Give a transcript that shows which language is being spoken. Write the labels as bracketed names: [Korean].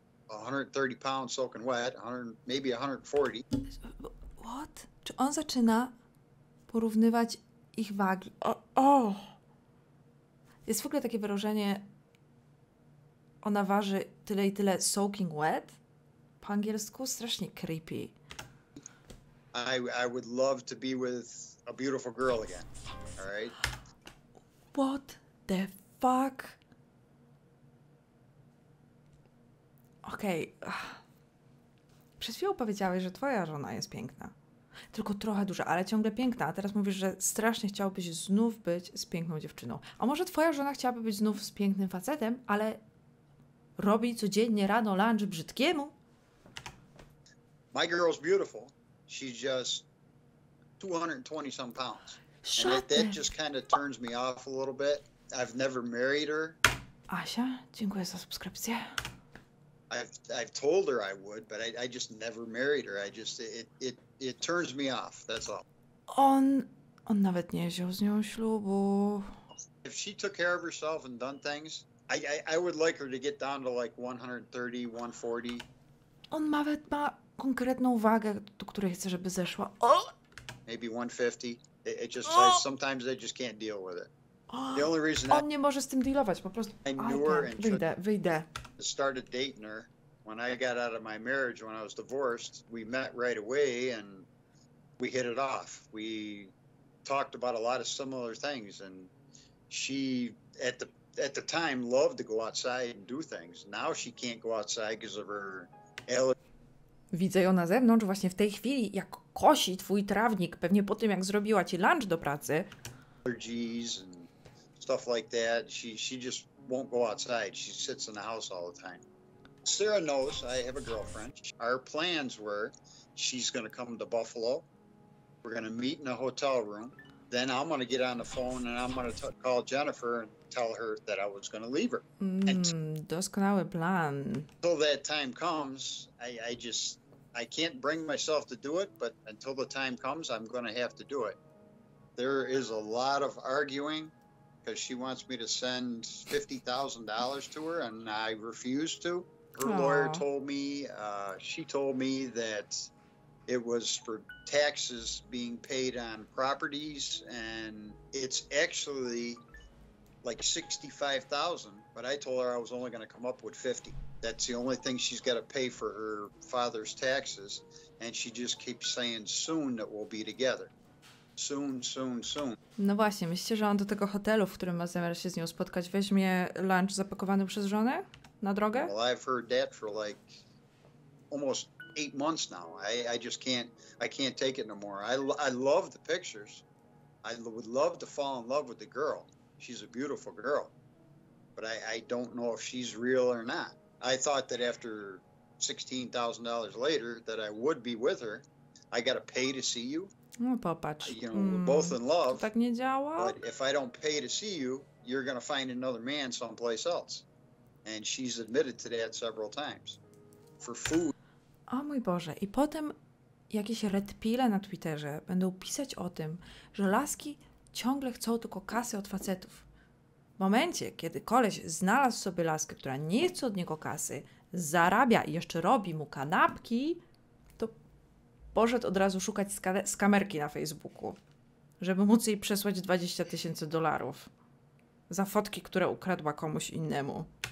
[English] 130 pounds soaking wet, maybe 140. What? [Polish] Czy on zaczyna porównywać ich wagi? Oh. Jest w ogóle takie wyrażenie, ona waży tyle i tyle, [English] soaking wet? [Polish] Po angielsku strasznie creepy. [English] I would love to be with a beautiful girl again, all right? What the fuck? Okej. Okay. [Polish] Przed chwilą powiedziałeś, że twoja żona jest piękna. Tylko trochę duża, ale ciągle piękna. A teraz mówisz, że strasznie chciałbyś znów być z piękną dziewczyną. A może twoja żona chciałaby być znów z pięknym facetem, ale robi codziennie rano lunch brzydkiemu? [English] My girl's beautiful. She's just 220 some pounds. Shut and that just kind of turns me off a little bit. I've never married her. [Polish] Asia, dziękuję za subskrypcję. [English] I've told her I would, but I just never married her. I just it turns me off. That's all. [Polish] On nawet nie wziął z nią ślubu. [English] If she took care of herself and done things, I would like her to get down to like 130, 140. [Polish] On nawet ma konkretną wagę, do której chce, żeby zeszła. [English] Maybe 150. It just says sometimes they just can't deal with it. The only reason [Polish] on nie może z tym dealować, po prostu. Wyjdę. [English] Started dating her when I got out of my marriage, when I was divorced. We met right away and we hit it off. We talked about a lot of similar things, and she at the time loved to go outside and do things. Now she can't go outside because of her allergy. [Polish] Widzę ją na zewnątrz właśnie w tej chwili, jak kosi twój trawnik, pewnie po tym, jak zrobiła ci lunch do pracy. [English] Allergies and stuff like that. She just won't go outside. She sits in the house all the time. Sarah knows I have a girlfriend. Our plans were she's going to come to Buffalo. We're going to meet in a hotel room. Then I'm going to get on the phone and I'm going to call Jennifer and tell her that I was going to leave her. [Polish] Doskonały plan. [English] Until that time comes, I can't bring myself to do it, but until the time comes, I'm going to have to do it. There is a lot of arguing because she wants me to send $50,000 to her and I refuse to. Her Aww. Lawyer told me, she told me that it was for taxes being paid on properties, and it's actually like $65,000, but I told her I was only going to come up with $50,000. That's the only thing she's got to pay for her father's taxes, and she just keeps saying soon that we'll be together. Soon, soon, soon. [Polish] No właśnie, myślicie, że on do tego hotelu, w którym ma zamiar się z nią spotkać, weźmie lunch zapakowany przez żonę na drogę? [English] Well, I've heard that for like almost 8 months now. I just can't take it no more. I love the pictures. I would love to fall in love with the girl. She's a beautiful girl. But I don't know if she's real or not. I thought that after $16,000 later that I would be with her. I got to pay to see you. [Polish] No, popatrz. [English] You know, we're both in love. [Polish] To tak nie działa. [English] But if I don't pay to see you, you're going to find another man someplace else. And she's admitted to that several times. For food. [Polish] O mój Boże, i potem jakieś redpile na Twitterze będą pisać o tym, że laski ciągle chcą tylko kasy od facetów. W momencie, kiedy koleś znalazł sobie laskę, która nie chce od niego kasy, zarabia i jeszcze robi mu kanapki, to poszedł od razu szukać skamerki na Facebooku, żeby móc jej przesłać $20,000 za fotki, które ukradła komuś innemu.